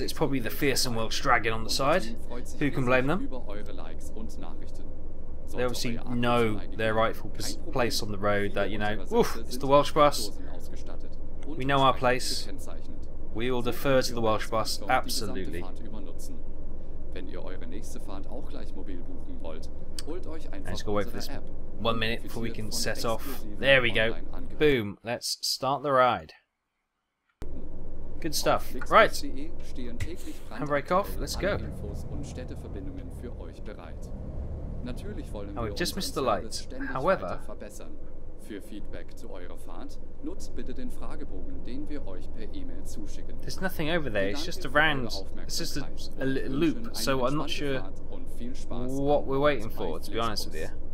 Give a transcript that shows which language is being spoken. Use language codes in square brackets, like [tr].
[en] It's probably the fearsome Welsh dragon on the side. Who can blame them? They obviously know their rightful place on the road, that, you know, oof, it's the Welsh bus. We know our place. We will defer to the Welsh bus, absolutely. [de] Wenn ihr eure nächste Fahrt auch gleich mobil buchen wollt, holt euch einfach unsere [en] App. Let's go wait for this 1 minute before we can set off. There we go. Boom. Let's start the ride. Good stuff. Right. Handbrake off. Let's go. Oh, we've just missed the light. However, [de] für Feedback zu eurer Fahrt nutzt bitte den Fragebogen, den wir euch per E-Mail zuschicken. [en] There's nothing over there. It's just a round. It's just a loop. So I'm not sure what we're waiting for, to be honest with you.